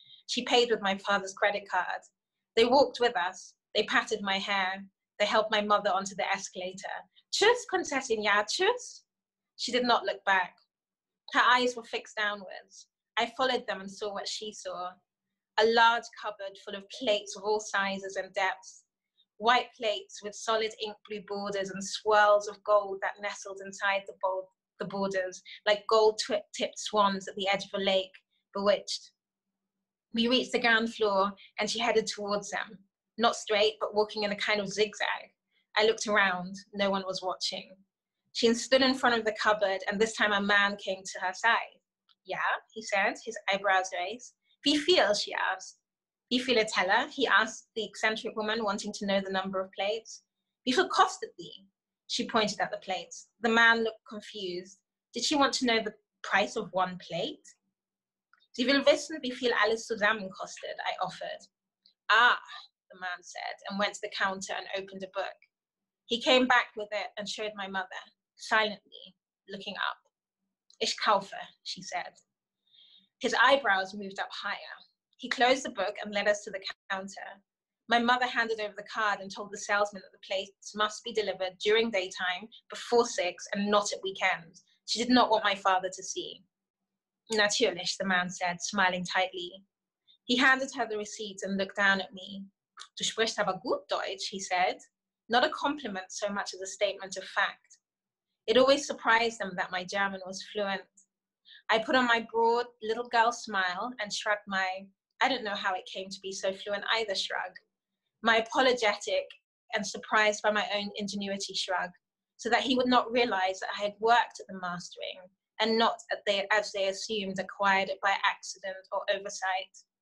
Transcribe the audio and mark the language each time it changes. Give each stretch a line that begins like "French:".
English: She paid with my father's credit card. They walked with us. They patted my hair. They helped my mother onto the escalator.
German: Tschüss, Prinzessin, ja, tschüss.
English: She did not look back. Her eyes were fixed downwards. I followed them and saw what she saw. A large cupboard full of plates of all sizes and depths. White plates with solid ink blue borders and swirls of gold that nestled inside the borders, like gold tipped swans at the edge of a lake, bewitched. We reached the ground floor and she headed towards them. Not straight, but walking in a kind of zigzag. I looked around, no one was watching. She stood in front of the cupboard and this time a man came to her side. Yeah, he said, his eyebrows raised.
German: Wie viel,
English: she asked.
German: Wie viele Teller,
English: he asked the eccentric woman, wanting to know the number of plates.
German: Wie viel kostet die,
English: she pointed at the plates. The man looked confused. Did she want to know the price of one plate?
German: Sie will wissen, wie viel alles zusammen kostet,
English: I offered. Ah, the man said, and went to the counter and opened a book. He came back with it and showed my mother, silently, looking up.
German: Ich kaufe,
English: she said. His eyebrows moved up higher. He closed the book and led us to the counter. My mother handed over the card and told the salesman that the plates must be delivered during daytime, before 6, and not at weekends. She did not want my father to see.
German: Natürlich,
English: the man said, smiling tightly. He handed her the receipt and looked down at me.
German: Du sprichst aber gut Deutsch,
English: he said. Not a compliment so much as a statement of fact. It always surprised them that my German was fluent. I put on my broad little girl smile and shrugged my, I don't know how it came to be so fluent either shrug. My apologetic and surprised by my own ingenuity shrug, so that he would not realize that I had worked at the mastering and not at the, as they assumed, acquired it by accident or oversight.